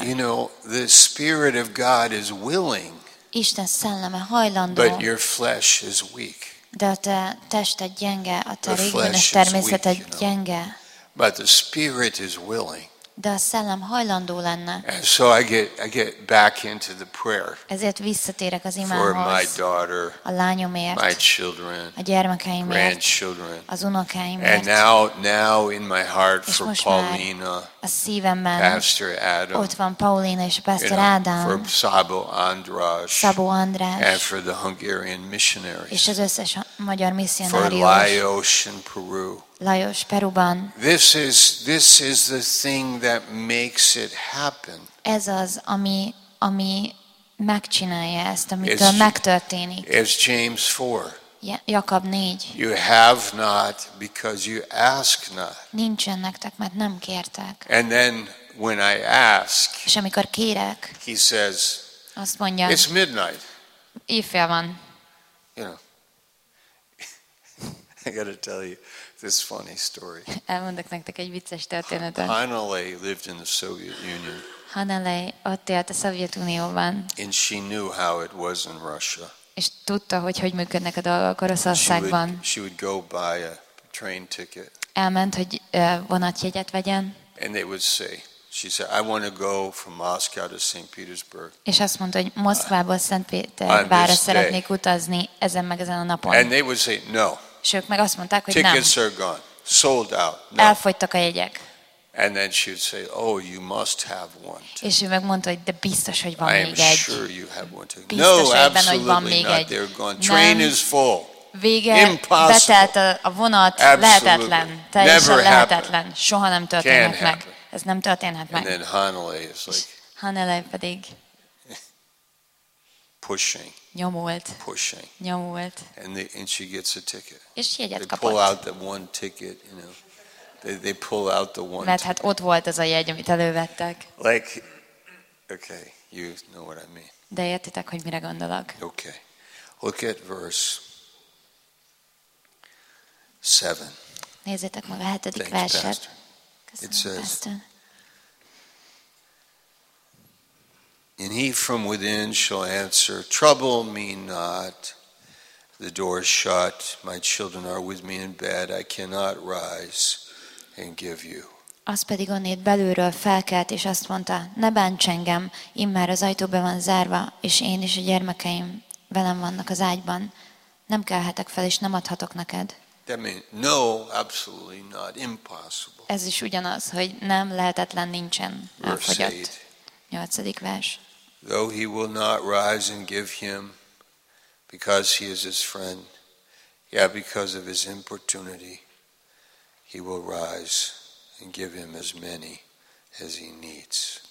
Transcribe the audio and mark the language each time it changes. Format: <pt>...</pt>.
<en>you know, the Spirit of God is willing.</en> <hu>Isten szelleme hajlandó.</hu> <en>But your flesh is weak.</en> <hu>De a te tested gyenge, a te régiónes természeted gyenge.</hu> <en>But the Spirit is willing.</en> <hu>De a szellem hajlandó lenne.</hu> <en>And so I get back into the prayer.</en> <hu>Ezért visszatérek az imához.</hu> <en>For my daughter.</en> <hu>A lányomért.</hu> <en>My children.</en> <hu>A gyermekeimért.</hu> <en>Grandchildren.</en> <hu>Az unokáimért.</hu> <en>And now in my heart</en> <hu>és</hu> <en>for Paulina.</en> <hu>A szívemben.</hu> <en>Pastor Adam.</en> <hu>Ott van Paulina és Pastor Adam.</hu> <en>For Szabó András.</en> <hu>Szabó András.</hu> <en>And for the Hungarian missionaries.</en> <hu>És az összes magyar misszionárius.</hu> <en>For Lajos in Peru.</en> <hu>Lajos, Peruban.</hu> <en>This is the thing that makes it happen.</en> <hu>Ez az, ami megcsinálja ezt, amitől megtörténik.</hu> <en>It's James 4.</en> <hu>Jakab 4.</hu> <en>You have not because you ask not.</en> <hu>Nincsen nektek, mert nem kértek.</hu> <en>And then when I ask.</en> <hu>És amikor kérek.</hu> <en>He says.</en> <hu>Azt mondja.</hu> <en>It's midnight.</en> <hu>Éjfél van.</hu> <en>You know. I got to tell you this funny story.</en> <hu>Elmondok nektek egy vicces történetet.</hu> <en>Hanalei lived in the Soviet Union.</en> <hu>Hanalei ott élt a Szovjetunióban.</hu> <en>And she knew how it was in Russia.</en> <hu>És tudta, hogy működnek a dolgok Oroszországban.</hu> <en>She would go buy a train ticket.</en> <hu>Elment, hogy vonatjegyet vegyen.</hu> <en>And they would say, she said, I want to go from Moscow to St. Petersburg.</en> <hu>És azt mondta, hogy Moszkvából Szentpétervárra szeretnék utazni ezen meg ezen a napon.</hu> <en>And they would say, no.</en> <hu>És ők meg azt mondták, hogy</hu> <en>tickets Tickets are gone. Sold out.</en> <hu>No. Elfogytak a jegyek.</hu> <en>And then she would say, oh, you must have one.</en> <hu>És ő megmondta, hogy de biztos, hogy van még egy.</hu> <en>I am sure you have one ticket. No, absolutely not. They're gone. Train is full.</en> <hu>Vége, betelt a vonat, lehetetlen, teljesen lehetetlen, soha nem történhet meg. Ez nem történhet meg.</hu> <en>And then Hanalei is like,</en> <hu>Hanalei pedig</hu> <en>pushing.</en> <hu>Nyomult.</hu> <en>Pushing.</en> <hu>Nyomult.</hu> <en>And she gets a ticket.</en> <hu>És jegyet kapott.</hu> <en>They pull out the one ticket, you know. They pull out the one.</en> <hu>Mert hát ott volt az a jegy, amit elővettek.</hu> <en>Like, okay, you know what I mean.</en> <hu>De értitek, hogy mire gondolok.</hu> <en>Okay. Look at verse 7.</en> <hu>Nézzétek meg a hetedik verset.</hu> <en>It says, and he from within shall answer, trouble me not, the door is shut, my children are with me in bed, I cannot rise and give you.</en> <hu>Az pedig onnét belülről felkelt, és azt mondta, ne bánts engem, immár az ajtó be van zárva, és én is a gyermekeim velem vannak az ágyban. Nem kelhetek fel, és nem adhatok neked.</hu> <en>That means no, absolutely not, impossible.</en> <hu>Ez is ugyanaz, hogy nem lehetetlen, nincsen, elfogyott. 8. vers.</hu> <en>Though he will not rise and give him, because he is his friend, yeah, because of his importunity, he will rise and give him as many as he needs.</en>